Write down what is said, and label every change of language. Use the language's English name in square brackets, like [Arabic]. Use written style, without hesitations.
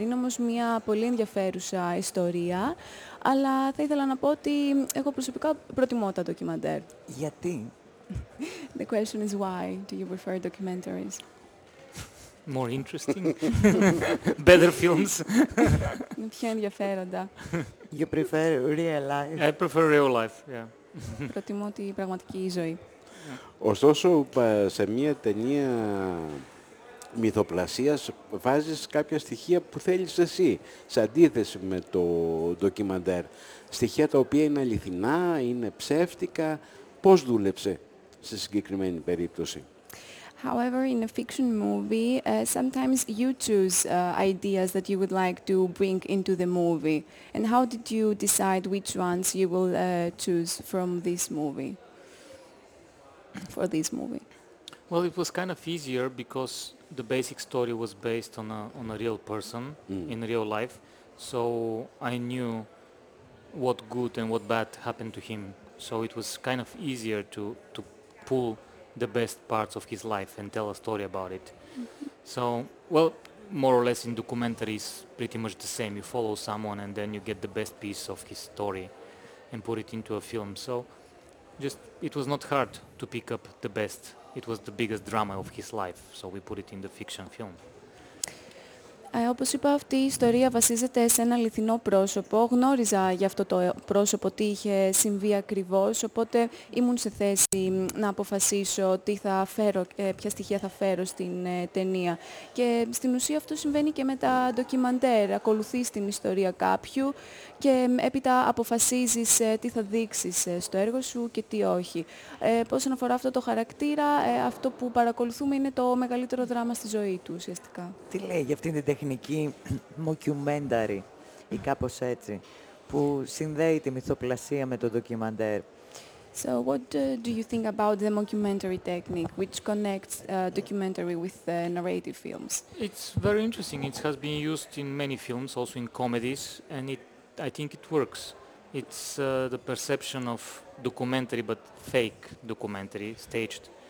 [Greek] Είναι όμως μια πολύ ενδιαφέρουσα ιστορία, αλλά θα ήθελα να πω ότι εγώ προσωπικά προτιμώ τα ντοκιμαντέρ. Γιατί? [English] The question is why do you prefer documentaries? More interesting, better films. [Greek] Πιο ενδιαφέροντα. [English] You prefer real life. I prefer real life, yeah. [Greek] Προτιμώ την πραγματική ζωή. Ωστόσο, σε μία ταινία μυθοπλασίας βάζεις κάποια στοιχεία που θέλεις εσύ, σε αντίθεση με το ντοκιμαντέρ. Στοιχεία τα οποία είναι αληθινά, είναι ψεύτικα. Πώς δούλεψε σε συγκεκριμένη περίπτωση? [English] However, in a fiction movie, sometimes you choose ideas that you would like to bring into the movie. And how did you decide which ones you will choose from this movie? For this movie. Well, it was kind of easier because the basic story was based on a real person in real life. So I knew what good and what bad happened to him. So it was kind of easier to pull the best parts of his life and tell a story about it. So, well, more or less in documentaries, pretty much the same. You follow someone and then you get the best piece of his story and put it into a film. So just it was not hard to pick up the best. It was the biggest drama of his life, so we put it in the fiction film. [Greek] Όπως είπα, αυτή η ιστορία βασίζεται σε ένα αληθινό πρόσωπο. Γνώριζα για αυτό το πρόσωπο τι είχε συμβεί ακριβώς, οπότε ήμουν σε θέση να αποφασίσω τι θα φέρω, ποια στοιχεία θα φέρω στην ταινία. Και στην ουσία αυτό συμβαίνει και με τα ντοκιμαντέρ. Ακολουθείς την ιστορία κάποιου και έπειτα αποφασίζεις τι θα δείξεις στο έργο σου και τι όχι. Όσον αφορά αυτό το χαρακτήρα, αυτό που παρακολουθούμε είναι το μεγαλύτερο δράμα στη ζωή του ουσιαστικά. Τι λέει για αυτήν την τεχνική μοκιουμένταρη ή κάπως έτσι, που συνδέει τη μυθοπλασία με το ντοκιμαντέρ. [English] So what do you think about the mockumentary technique, which connects documentary with narrative films? It's very interesting. It has been used in many films, also in comedies, and I think it works. It's the perception of documentary, but fake documentary, staged.